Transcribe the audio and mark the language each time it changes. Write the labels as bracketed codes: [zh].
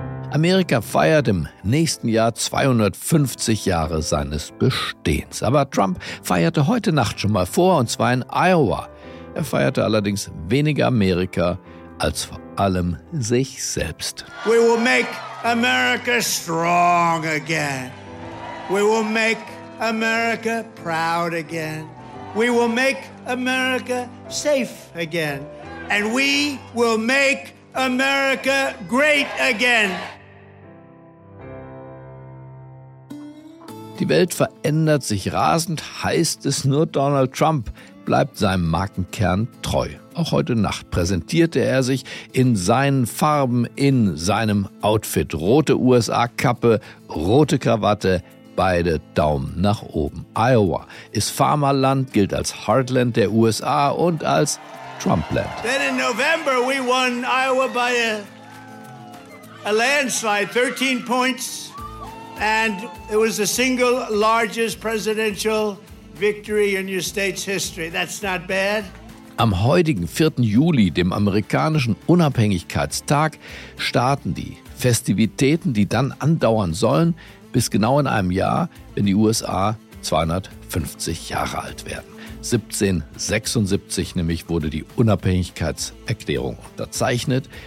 [de] Amerika feiert im nächsten Jahr 250 Jahre seines Bestehens. Aber Trump feierte heute Nacht schon mal vor, und zwar in Iowa. Er feierte allerdings weniger Amerika als vor allem sich selbst. [en] We will make America strong again. We will make America proud again. We will make America safe again. And we will make America great again. [de] Die Welt verändert sich rasend, heißt es, nur Donald Trump bleibt seinem Markenkern treu. Auch heute Nacht präsentierte er sich in seinen Farben, in seinem Outfit. Rote USA-Kappe, rote Krawatte, beide Daumen nach oben. Iowa ist Farmerland, gilt als Heartland der USA und als Trumpland. [en] Then in November we won Iowa by a landslide, 13 points. And it was the single largest presidential victory in your state's history. That's not bad. [de] Am heutigen 4. Juli, dem amerikanischen Unabhängigkeitstag, starten die Festivitäten, die dann andauern sollen, bis genau in einem Jahr, wenn die USA 250 Jahre alt werden. 1776 nämlich wurde die Unabhängigkeitserklärung unterzeichnet.